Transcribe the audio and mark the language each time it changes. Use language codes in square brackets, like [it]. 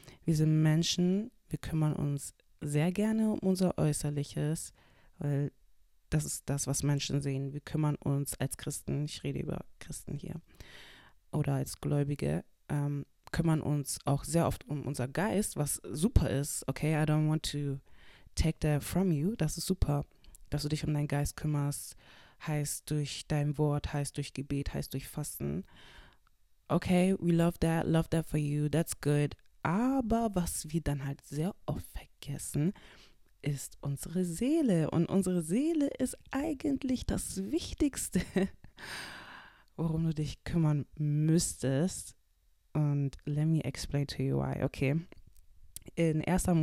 [de] Wir sind Menschen, wir kümmern uns sehr gerne um unser Äußerliches, weil das ist das, was Menschen sehen. Wir kümmern uns als Christen, ich rede über Christen hier, oder als Gläubige, kümmern uns auch sehr oft um unser Geist, was super ist, okay? [en] I don't want to take that from you. [de] Das ist super, dass du dich um deinen Geist kümmerst, heißt durch dein Wort, heißt durch Gebet, heißt durch Fasten. [en] Okay, we love that for you, that's good. [de] Aber was wir dann halt sehr oft vergessen, ist unsere Seele. Und unsere Seele ist eigentlich das Wichtigste, worum du dich kümmern müsstest. [en] Und let me explain to you why. Okay, in 1.